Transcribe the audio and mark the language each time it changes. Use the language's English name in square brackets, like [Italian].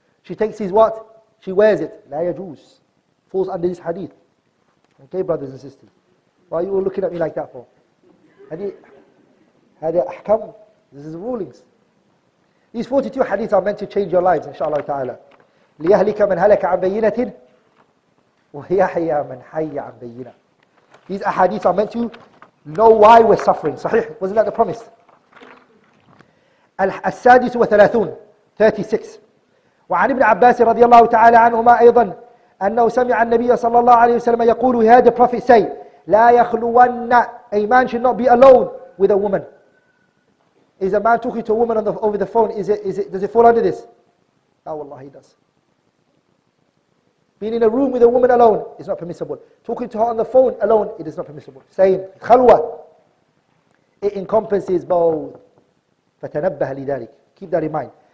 [English] She takes his what? She wears it. [Arabic] لا يجوز. [English] Falls under this hadith. Okay, brothers and sisters. Why are you all looking at me like that for? [Arabic] هذه أحكام. [English] This is the rulings. These 42 hadiths are meant to change your lives, inshallah ta'ala. [Arabic] ليهلك من هلك عن بينة ويحيى من حي عن بينة. [English] These ahadith are meant to know why we're suffering. [Arabic] صحيح. [English] Wasn't that the promise? [Arabic] السادس وثلاثون 36 وعن ابن عباس رضي الله تعالى عنهما أيضا أنه سمع النبي صلى الله عليه وسلم يقول [English] he heard the prophet say [Arabic] لا يخلون [English] a man should not be alone with a woman. Is a man talking to a woman over the phone, is it does it fall under this? [Arabic] لا والله [English] he does. Being in a room with a woman alone is not permissible. Talking to her on the phone alone, it is not permissible. Same خلوة, it encompasses both. [Arabic] فتنبه لذلك. [English] Keep that in mind.